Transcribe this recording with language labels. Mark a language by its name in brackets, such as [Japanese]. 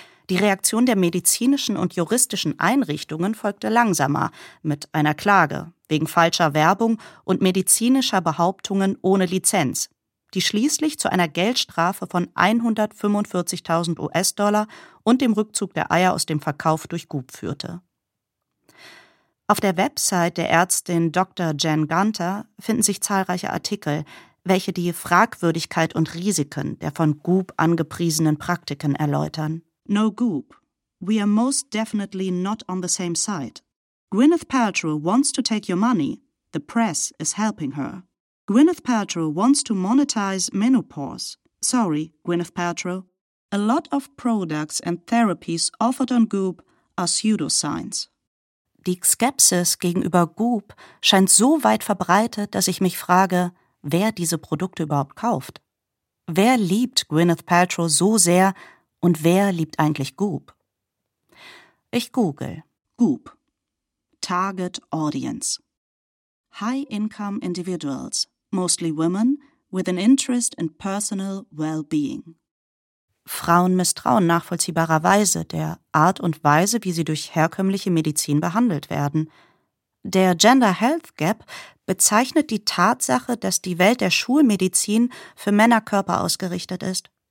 [German] Die Reaktion der medizinischen und juristischen Einrichtungen folgte langsamer, mit einer Klage wegen falscher Werbung und medizinischer Behauptungen ohne Lizenz, die schließlich zu einer Geldstrafe von 145.000 US-Dollar und dem Rückzug der Eier aus dem Verkauf durch Goop führte. Auf der Website der Ärztin Dr. Jen Gunter finden sich zahlreiche Artikel, welche die Fragwürdigkeit und Risiken der von Goop angepriesenen Praktiken erläutern. [English] No Goop. We are most definitely not on the same side. Gwyneth Paltrow wants to take your money. The press is helping her. Gwyneth Paltrow wants to monetize menopause. Sorry, Gwyneth Paltrow. A lot of products and therapies offered on Goop are pseudoscience. [German] Die Skepsis gegenüber Goop scheint so weit verbreitet, dass ich mich frage, wer diese Produkte überhaupt kauft. Wer liebt Gwyneth Paltrow so sehr und wer liebt eigentlich Goop? Ich google. [English] Goop. Target Audience. High-income individuals, mostly women, with an interest in personal well-being. [German] Frauen misstrauen nachvollziehbarerweise der Art und Weise, wie sie durch herkömmliche Medizin behandelt werden. Der Gender Health Gap bezeichnet die Tatsache, dass die Welt der Schulmedizin für Männerkörper ausgerichtet ist.